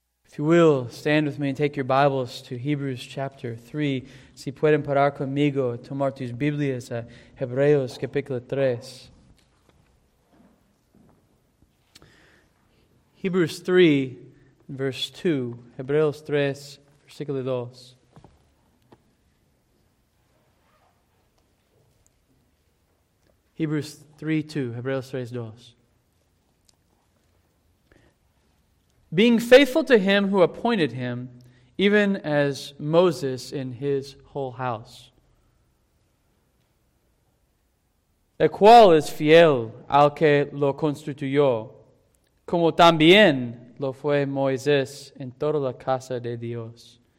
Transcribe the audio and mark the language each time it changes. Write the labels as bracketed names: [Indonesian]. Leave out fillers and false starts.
[English] If you will, stand with me and take your Bibles to Hebrews chapter 3. [Spanish] Si pueden parar conmigo, tomar tus Biblias a Hebreos capítulo 3. [English] Hebrews 3, verse 2. [Spanish] Hebreos 3, versículo 2. [English] Hebrews 3, 2. Hebreos 3, 2. Being faithful to him who appointed him, even as Moses in his whole house. [Spanish] El cual es fiel al que lo constituyó, como también lo fue Moisés en toda la casa de Dios.